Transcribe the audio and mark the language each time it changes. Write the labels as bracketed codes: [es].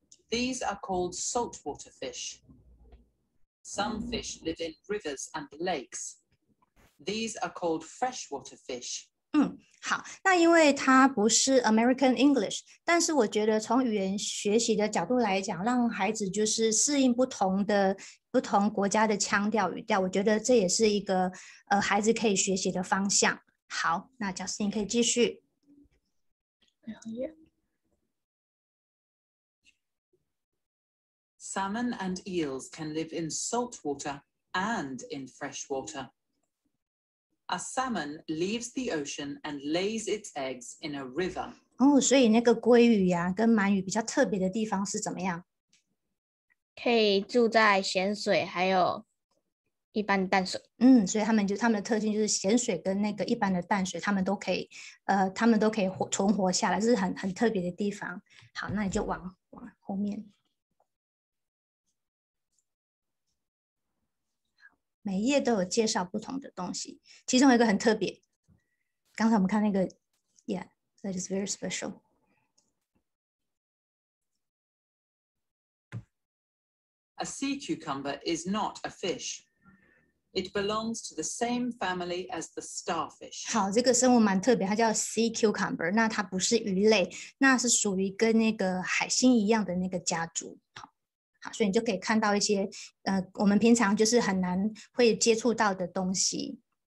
[en] These are called saltwater fish. Some fish live in rivers and lakes. These are called freshwater fish. [zh] 好，那因为它不是 American English，但是我觉得从语言学习的角度来讲，让孩子就是适应不同国家的腔调语调，我觉得这也是一个孩子可以学习的方向。好，那Justin可以继续。 [en] Salmon and eels can live in salt water and in fresh water. A salmon leaves the ocean and lays its eggs in a river. [zh] 所以那个鲑鱼呀，跟鳗鱼比较特别的地方是怎么样？可以住在咸水，还有一般淡水。所以他们的特性就是咸水跟那个一般的淡水，他们都可以存活下来，是很特别的地方。好，那你就往后面。每一页都有介绍不同的东西，其中有一个很特别。 [en] 刚才我们看那个，Yeah, that is very special. A sea cucumber is not a fish. It belongs to the same family as the starfish. [zh] 好，这个生物蛮特别，它叫 sea cucumber， 那它不是鱼类，那是属于跟那个海星一样的那个家族。好，所以你就可以看到一些我们平常就是很难会接触到的东西。